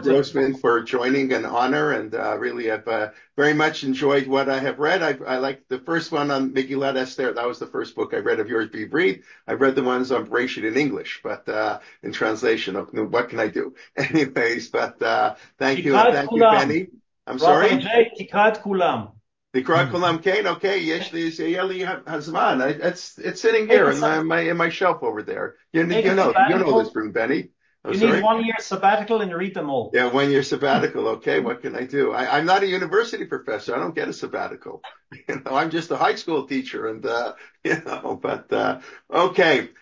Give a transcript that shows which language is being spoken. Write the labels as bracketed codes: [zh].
[en] Grossman, for joining, an honor, and really have very much enjoyed what I have read. I liked the first one on Megillat Esther. That was the first book I read of yours, Bivrit. I've read the ones on Bereishit in English, but in translation, what can I do? Anyways, but thank you, and thank you, Benny. I'm sorry. [he] תקרא את כולם. תקרא את כולם, כן, אוקיי, יש לי, זה יהיה לי הזמן. [en] It's sitting here in my shelf over there. You know this room, Benny. You need 1 year sabbatical and read them all. Yeah, 1 year sabbatical, okay, what can I do? I'm not a university professor, I don't get a sabbatical. You know, I'm just a high school teacher, and, you know, but, okay.